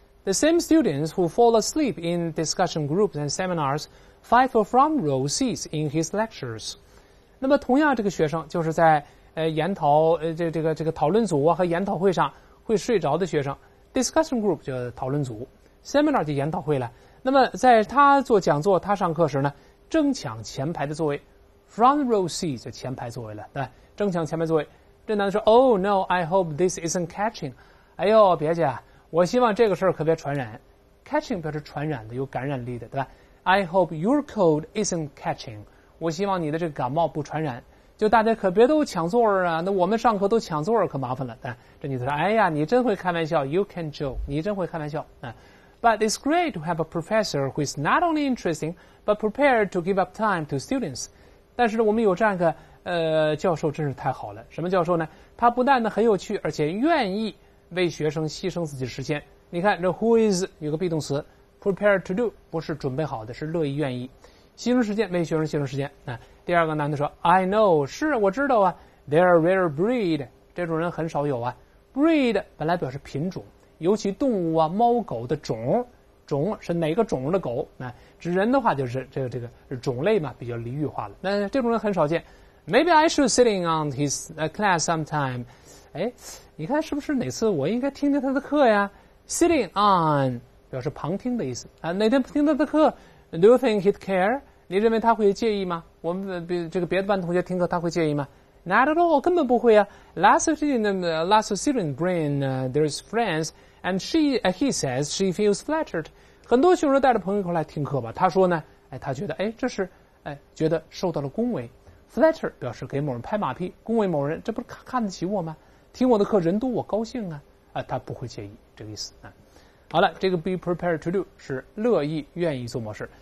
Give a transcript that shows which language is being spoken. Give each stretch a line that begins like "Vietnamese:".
English: The same students who fall asleep in discussion groups and seminars fight for front row seats in his lectures.
Chinese: 那么同样，这个学生就是在研讨这个讨论组啊和研讨会上会睡着的学生。 Discussion group 就讨论组 ，seminar 就研讨会了。那么在他做讲座、他上课时呢，争抢前排的座位 ，front row seat 就前排座位了，对，争抢前排座位。这男的说
English: ：“Oh no, I hope this isn't catching。”
Chinese: 哎呦，别介，我希望这个事儿可别传染。 Catching 表示传染的、有感染力的，对吧 ？
English: I hope your cold isn't catching。
Chinese: 我希望你的这个感冒不传染。就大家可别都抢座啊，那我们上课都抢座可麻烦了。但这女的说，哎呀，你真会开玩笑 ,
English: you can joke,
Chinese: 你真会开玩笑。
English: But it's great to have a professor who is not only interesting, but prepared to give up time to students.
Chinese: 但是呢我们有这样一个教授真是太好了。什么教授呢？他不但呢很有趣，而且愿意为学生牺牲自己的时间。你看这 who is, 有个 be 动词 ,
English: prepared to do,
Chinese: 不是准备好的，是乐意愿意。牺牲时间，为学生牺牲时间。第二个男的说
English: I know,
Chinese: 是我知道啊
English: They're a rare breed,
Chinese: 这种人很少有啊。 Breed 本来表示品种，尤其动物啊猫狗的种，种是哪个种的狗，指人的话就是这个是种类嘛，比较俚语化了。那这种人很少见。
English: Maybe I should sit in on his class sometime.
Chinese: 哎，你看是不是哪次我应该听听他的课呀？ Sitting on 表示旁听的意思。哪天听他的课
English: Do you think he'd care?
Chinese: 你认为他会介意吗？我们这个别的班同学听课他会介意吗？
English: Not at all,
Chinese: 根本不会啊。
English: There's friends, and he says she feels flattered.
Chinese: 很多学生带着朋友一块来听课吧。他说呢，哎，他觉得，哎，这是，哎，觉得受到了恭维。 Flatter 表示给某人拍马屁，恭维某人，这不是看得起我吗？听我的课人多，我高兴啊。他不会介意这个意思啊。好了，这个
English: be prepared to do
Chinese: 是乐意愿意做模式。